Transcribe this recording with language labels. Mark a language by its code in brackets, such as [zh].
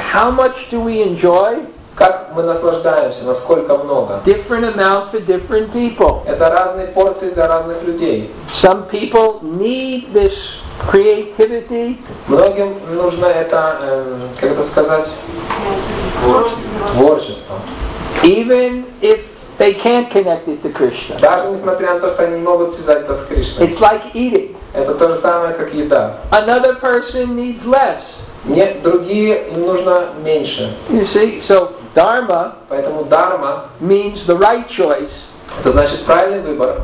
[en] How much do we enjoy? [ru] Как мы наслаждаемся, насколько много? [en] Different amount for different people. [ru] Это разные порции для разных людей. [en] Some people need this creativity. [ru] Многим нужно это, как это сказать, творчество. [en] Even if they can't connect it to Krishna. [ru] Даже несмотря на то, что они не могут связать это с Кришной. [en] It's like eating. [ru] Это то же самое, как еда. [en] Another person needs less. [ru] Нет, другие им нужно меньше. [en] You see, so dharma. [ru] Поэтому дхарма [en] means the right choice. [ru] Это значит правильный выбор.